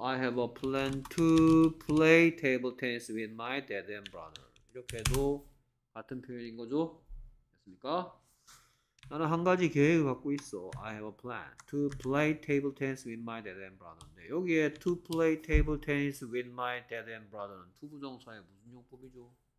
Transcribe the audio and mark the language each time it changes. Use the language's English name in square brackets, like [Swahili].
[English] I have a plan to play table tennis with my dad and brother. [Korean] 이렇게도 같은 표현인 거죠? 됐습니까? 나는 한 가지 계획을 갖고 있어. [English] I have a plan to play table tennis with my dad and brother인데 [Korean] 여기에 [English] to play table tennis with my dad and brother는 to [Korean] 부정사의 무슨 용법이죠?